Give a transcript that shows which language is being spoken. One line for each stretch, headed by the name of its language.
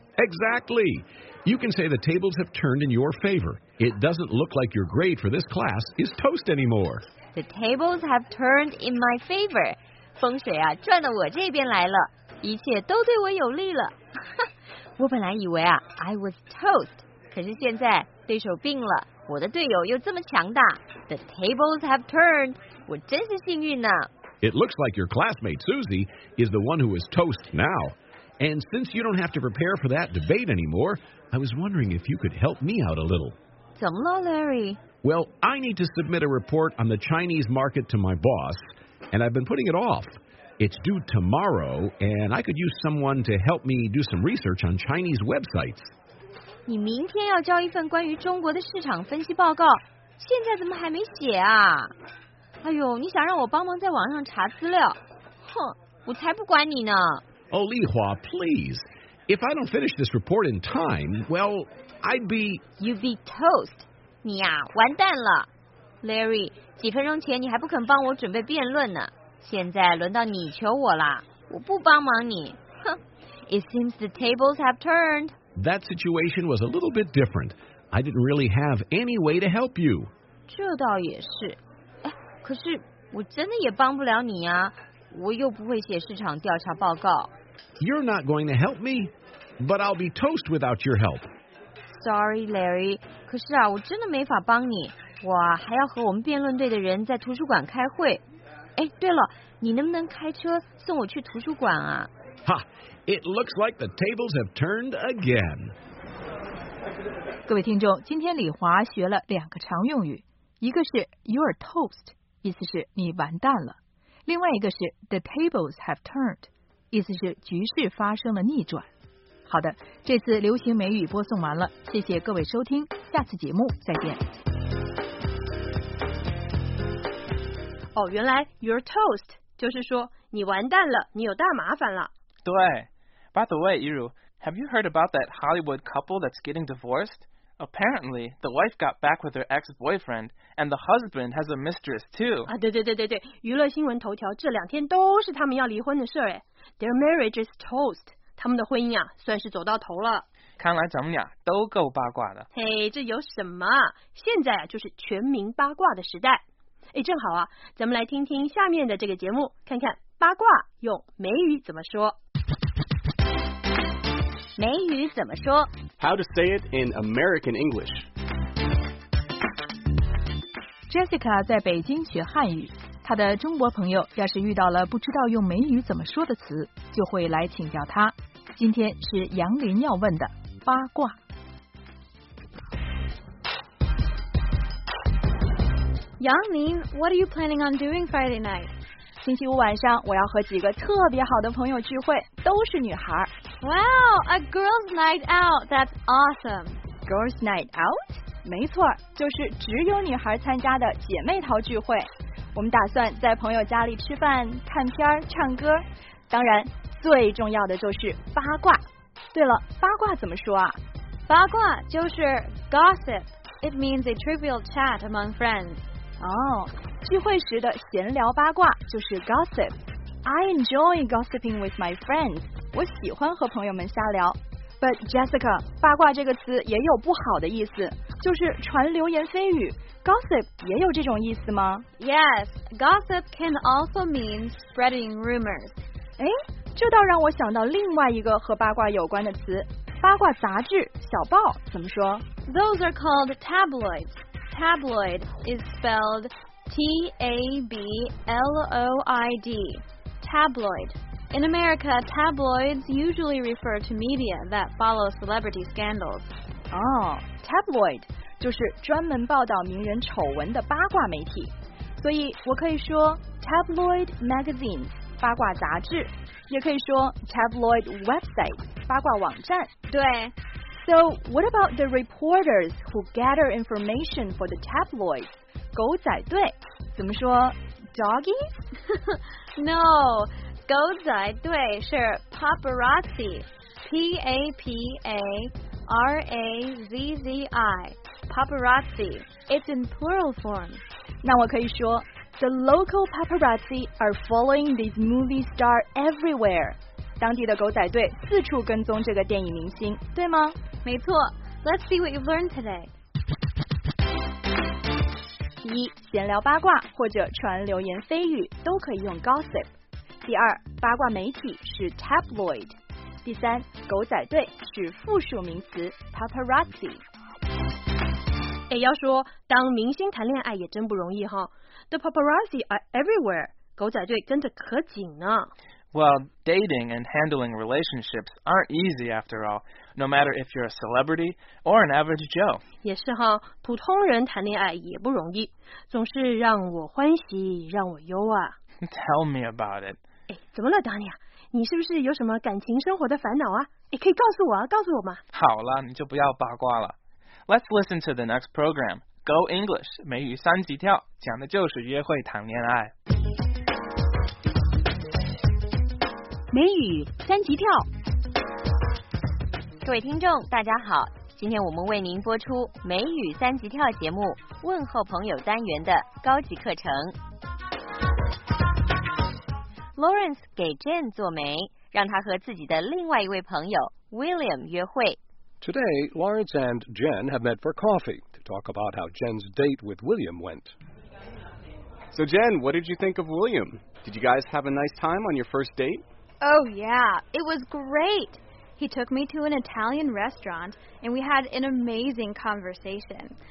English: Exactly. You can say the tables have turned in your favor. It doesn't look like your grade for this class is toast anymore. The tables have turned in my favor.
Chinese: 风水啊转到我这边来了，一切都对我有利了。我本来以为啊
English: I was toast，
Chinese: 可是现在对手病了。我的队友又这么强大 ，
English: The tables have turned，
Chinese: 我真是幸运呢。
English: It looks like your classmate Susie is the one who is toast now. And since you don't have to prepare for that debate anymore, I was wondering if you could help me out a little.
Chinese: 怎么了 ，Larry？
English: Well, I need to submit a report on the Chinese market to my boss, and I've been putting it off. It's due tomorrow, and I could use someone to help me do some research on Chinese websites.
Chinese: 你明天要交一份关于中国的市场分析报告，现在怎么还没写啊？哎呦，你想让我帮忙在网上查资料？哼，我才不管你呢。
English: Oh, Li Hua, please. If I don't finish this report in time, well, I'd be... You'd be toast.
Chinese: 你呀，完蛋了。 Larry, 几分钟前你还不肯帮我准备辩论呢，现在轮到你求我了，我不帮忙你。
English: 哼 ，It seems the tables have turned. That situation was a little bit different. I didn't really have any way to help you.
Chinese: 这倒也是。哎，可是我真的也帮不了你啊，我又不会写市场调查报告。
English: You're not going to help me, but I'll be toast without your help. Sorry, Larry.
Chinese: 可是啊，我真的没法帮你。我还要和我们辩论队的人在图书馆开会。哎，对了，你能不能开车送我去图书馆啊？
English: Ha! It looks like the tables have turned again.
Chinese: 各位听众，今天李华学了两个常用语，一个是
English: you're toast，
Chinese: 意思是你完蛋了；另外一个是
English: the tables have turned，
Chinese: 意思是局势发生了逆转。好的，这次流行美语播送完了，谢谢各位收听，下次节目再见。哦，原来
English: you're toast
Chinese: 就是说你完蛋了，你有大麻烦了。
English: 对 ，By the way, Iru, have you heard about that Hollywood couple that's getting divorced? Apparently, the wife got back with her ex-boyfriend, and the husband has a mistress too.
Chinese: 啊，对对对对对，娱乐新闻头条这两天都是他们要离婚的事儿哎。
English: Their marriage is toast.
Chinese: 他们的婚姻啊，算是走到头了。看来咱们俩都够八卦的。嘿，这有什么？现在啊，就是全民八卦的时代。哎，正好啊，咱们来听听下面的这个节目，看看八卦用美语怎么说。美语怎么说
English: ？How to say it in American English?
Chinese: Jessica 在北京学汉语，她的中国朋友要是遇到了不知道用美语怎么说的词，就会来请教她。今天是杨林要问的八卦。
English: 杨林 ，What are you planning on doing Friday night?
Chinese: 星期五晚上我要和几个特别好的朋友聚会，都是女孩。
English: Wow, a girls' night out. That's awesome. Girls' night out?
Chinese: 没错，就是只有女孩参加的姐妹淘聚会。我们打算在朋友家里吃饭、看片、唱歌。当然，最重要的就是八卦。对了，八卦怎么说啊？八卦就是 gossip.
English: It means a trivial chat among friends.
Chinese: 哦，聚会时的闲聊八卦就是 gossip.
English: I enjoy gossiping with my friends.
Chinese: 我喜欢和朋友们瞎聊 ，
English: But Jessica，
Chinese: 八卦这个词也有不好的意思，就是传流言蜚语 ，gossip 也有这种意思吗
English: ？Yes，gossip can also mean spreading rumors。
Chinese: 哎，这倒让我想到另外一个和八卦有关的词，八卦杂志、小报怎么说？
English: Those are called tabloids. Tabloid is spelled T-A-B-L-O-I-D. Tabloid. In America, tabloids usually refer to media that follow celebrity scandals.
Chinese: Oh, tabloid 就是专门报道名人丑闻的八卦媒体。所以我可以说
English: tabloid magazines,
Chinese: 八卦杂志。也可以说
English: tabloid website,
Chinese: 八卦网站。对。
English: So, what about the reporters who gather information for the tabloids?
Chinese: 狗仔队怎么说 doggies?
English: No,
Chinese: 狗仔队是
English: paparazzi, P-A-P-A-R-A-Z-Z-I, paparazzi. It's in plural form.
Chinese: 那我可以说
English: The local paparazzi are following this movie star everywhere.
Chinese: 当地的狗仔队四处跟踪这个电影明星，对吗？没错。
English: Let's see what you've learned today.
Chinese: 第一，闲聊八卦或者传流言蜚语都可以用 gossip. 第二，八卦媒体是 tabloid. 第三，狗仔队是复数名词 paparazzi. 哎，要说当明星谈恋爱也真不容易哈。
English: The paparazzi are everywhere.
Chinese: 狗仔队跟着可紧呢。
English: Well, dating and handling relationships aren't easy after all, no matter if you're a celebrity or an average Joe.
Chinese: 也是哈，普通人谈恋爱也不容易，总是让我欢喜，让我忧啊。
English: Tell me about it.
Chinese: 哎，怎么了 Dania? 你是不是有什么感情生活的烦恼啊？哎，可以告诉我啊，告诉我嘛。好了，你就不要八卦了。
English: Let's listen to the next program.
Chinese: Go English, 美语三级跳，讲的就是约会谈恋爱。美语三级跳，各位听众，大家好，今天我们为您播出美语三级跳节目问候朋友单元的高级课程。 Lawrence 给 Jane 做媒，让她和自己的另外一位朋友 William 约会。
English: Today, Lawrence and Jen have met for coffee to talk about how Jen's date with William went. So Jen, what did you think of William? Did you guys have a nice time on your first date? Oh yeah, it was great. He took me to an Italian restaurant and we had an amazing conversation.